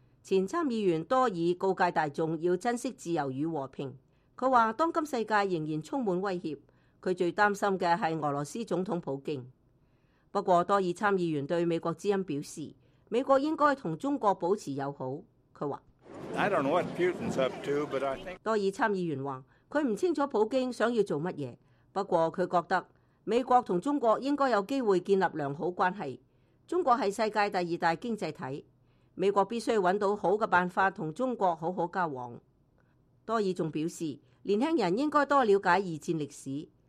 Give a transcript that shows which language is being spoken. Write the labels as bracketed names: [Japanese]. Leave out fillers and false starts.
[Chinese] 前参议员多尔告诫大众要珍惜自由与和平。他说，当今世界仍然充满威胁，他最担心的是俄罗斯总统普京。不过多尔参议员对美国之音表示，美国应该同中国保持友好。他说， [English] I don't know what Putin's up to, but I think [Chinese] 多尔参议员说，他不清楚普京想要做什么，不过他觉得美国和中国应该有机会建立良好关系。中国是世界第二大经济体，美国必须找到好的办法和中国好好交往。多尔还表示，年轻人应该多了解二战历史。